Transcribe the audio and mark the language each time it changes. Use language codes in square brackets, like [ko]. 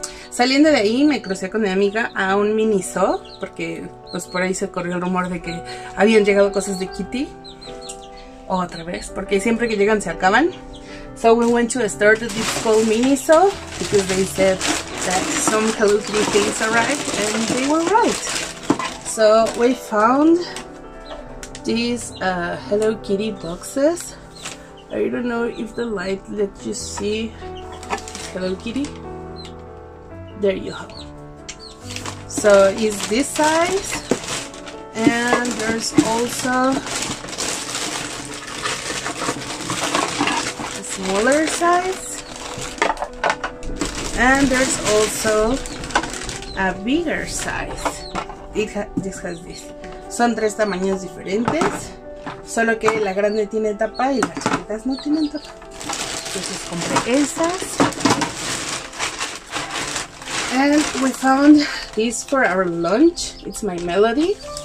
[es] Saliendo de ahí, me crucé con mi amiga a un Miniso, porque pues por ahí se corrió el rumor de que habían llegado cosas de Kitty. Otra vez, porque siempre que llegan se acaban. [en] So we went to a store that is called Miniso, because they said that some Hello Kitty things arrived, and they were right. So we found these Hello Kitty boxes. I don't know if the light lets you see Hello Kitty. There you have. So it's this size, and there's also a smaller size, and there's also a bigger size. This has this. [es] Son tres tamaños diferentes, solo que la grande tiene tapa y las chiquitas no tienen tapa. Entonces compré esas. [en] And we found this for our lunch. It's My Melody.